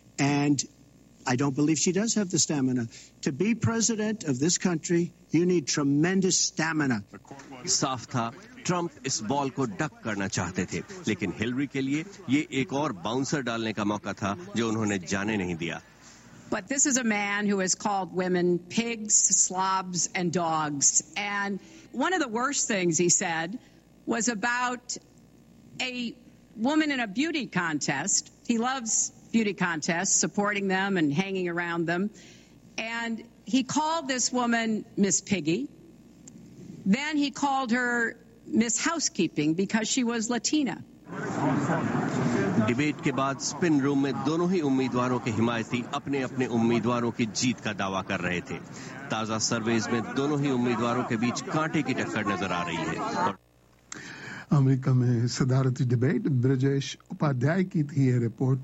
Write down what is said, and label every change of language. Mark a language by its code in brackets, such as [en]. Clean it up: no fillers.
[en] I don't believe she does have the stamina. To be president of this country, you need tremendous stamina. [ur] صاف تھا Trump اس بال کو ڈک کرنا چاہتے تھے، لیکن ہلری کے لیے یہ ایک اور باؤنسر ڈالنے کا موقع تھا جو انہوں نے جانے نہیں دیا۔ [en] But this is a man who has called women pigs, slobs, and dogs. And one of the worst things he said was about a woman in a beauty contest. He loves beauty contests, supporting them and hanging around them. And he called this woman Miss Piggy. Then he called her Miss Housekeeping because she was Latina. [ur] Debate کے بعد سپن روم میں دونوں ہی امیدواروں کے حمایتی اپنے اپنے امیدواروں کی جیت کا دعویٰ کر رہے تھے۔ تازہ سرویز میں دونوں ہی امیدواروں کے بیچ کانٹے کی ٹکر نظر آ رہی ہے۔ امریکہ میں صدارتی ڈبیٹ برجیش اپادھیائے کی تھی یہ رپورٹ.